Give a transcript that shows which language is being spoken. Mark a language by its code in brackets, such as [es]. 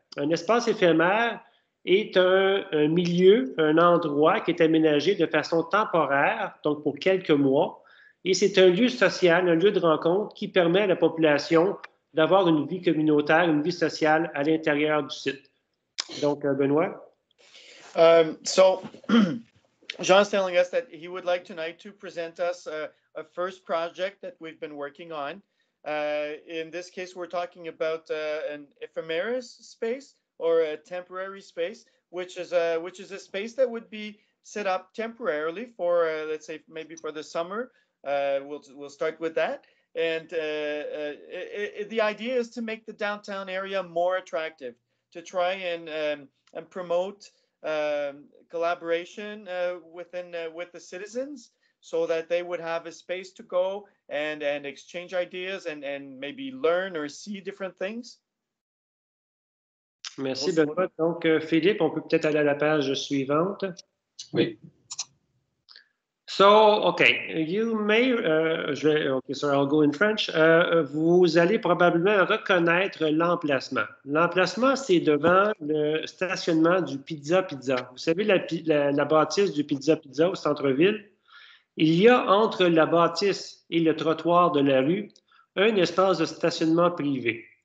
[fr] Un espace éphémère est un milieu, un endroit qui est aménagé de façon temporaire, donc pour quelques mois. Et c'est un lieu social, un lieu de rencontre qui permet à la population d'avoir une vie communautaire, une vie sociale à l'intérieur du site. Donc, Benoît? [en] So, Jean's telling us that he would like tonight to present us a first project that we've been working on. In this case, we're talking about an ephemeris space or a temporary space, which is a space that would be set up temporarily for, let's say, maybe for the summer. We'll start with that. And the idea is to make the downtown area more attractive, to try and promote collaboration with the citizens, so that they would have a space to go and exchange ideas and maybe learn or see different things. [fr] Merci, Benoît. Donc, Philippe, on peut peut-être aller à la page suivante. Oui. [en] So, okay, you may, I'll go in French. [fr] Vous allez probablement reconnaître l'emplacement. L'emplacement, c'est devant le stationnement du Pizza Pizza. Vous savez, la bâtisse du Pizza Pizza au centre-ville? Il y a entre la bâtisse et le trottoir de la rue un espace de stationnement privé.